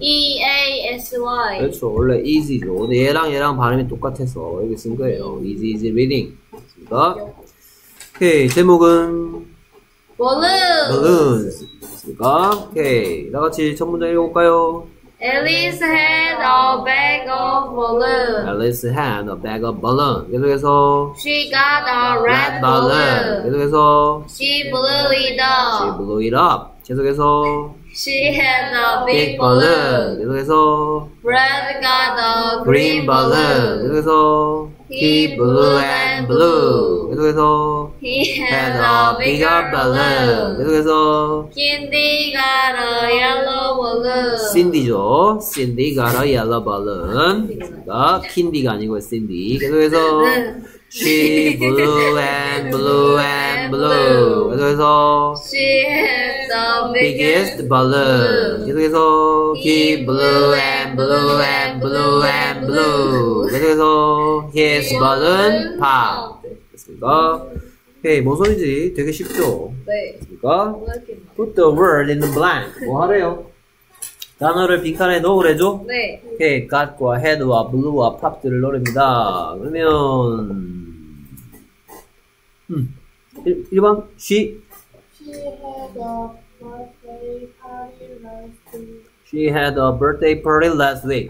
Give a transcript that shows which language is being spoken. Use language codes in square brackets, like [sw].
[en] E-A-S-Y. [ko] 그렇죠. 원래 easy죠. 근데 얘랑 발음이 똑같아서 여기 쓴 거예요. [en] Easy, easy reading. 됐습니다. 오케이. [ko] 제목은 [en] Balloons. Balloons. 됐습니까? 오케이. [ko] 다 같이 첫 문장 읽어볼까요? [en] Alice had a bag of balloons. Alice had a bag of balloons. [ko] 계속해서 [en] She got a red balloon. [ko] 계속해서 [en] She blew it up. She blew it up. [ko] 계속해서 [en] She had a big balloon. [ko] 계속해서 [en] Red got a green balloon. [ko] 계속해서 [en] He blew and blew. [ko] 계속해서 [en] He had a bigger balloon. [ko] 계속해서 [en] Cindy got a yellow balloon. [ko] Cindy죠. [en] Cindy got a yellow balloon. [ko] 그러니까 Cindy가 아니고 Cindy. 계속해서 [en] She blew and blew and blew. [ko] 계속해서 [en] She had the biggest balloon. [ko] 계속해서 [en] He blew and blew and blew and blew. [ko] 계속해서 [en] His balloon pop. [ko] 됐습니다. 오케이, 뭔 소리인지 되게 쉽죠? 네. [en] 됐습니까? Put the word in the blank. [ko] 뭐 하래요? 단어를 빈칸에 넣으래죠? 네. 오케이, got과 had와 blue와 pop들을 노립니다. 그러면, 1번, [en] she had a birthday party last week. She had a birthday party last week.